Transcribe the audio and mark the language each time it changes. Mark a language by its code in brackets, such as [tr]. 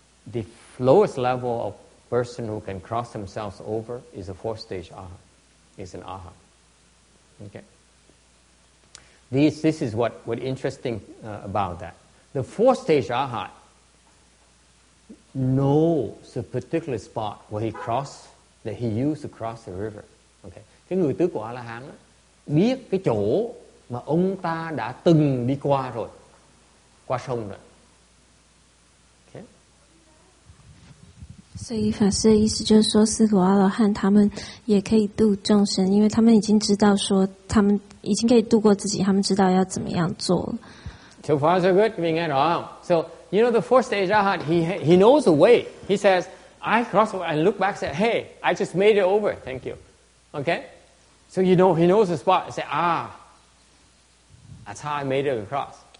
[en] The lowest level of person who can cross themselves over is a four-stage arhat. It's an arhat. Okay. This is what interesting about that. The four-stage arhat knows a particular spot where he crossed, that he used to cross the river. Okay. [vi] Cái người tứ của A-la-hán biết cái chỗ mà ông ta đã từng đi qua rồi, qua sông rồi. [zh] So, 所以法师的意思就是说，四果阿罗汉他们也可以度众生，因为他们已经知道说，他们已经可以度过自己，他们知道要怎么样做了。 [en] So far, so good. You mean it wrong? So, you know, the fourth stage arhat, he knows the way. He says, "I cross over and look back. Say, hey, I just made it over. Thank you. Okay. So you know, he knows the spot. Say, ah, that's how I made it across.